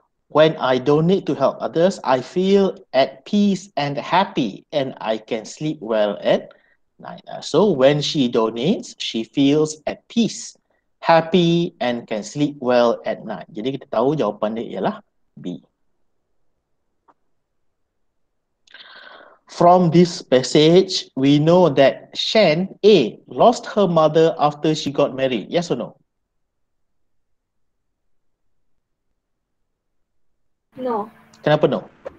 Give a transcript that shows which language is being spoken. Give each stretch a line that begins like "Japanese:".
English: When I donate to help others, I feel at peace and happy and I can sleep well at night. So when she donates, she feels at peace, happy and can sleep well at night.
Malay: Jadi kita tahu jawapan dia ialah B.
English: From this passage, we know that Shen A lost her mother after she got married. Yes or no? No.
Malay: Kenapa no?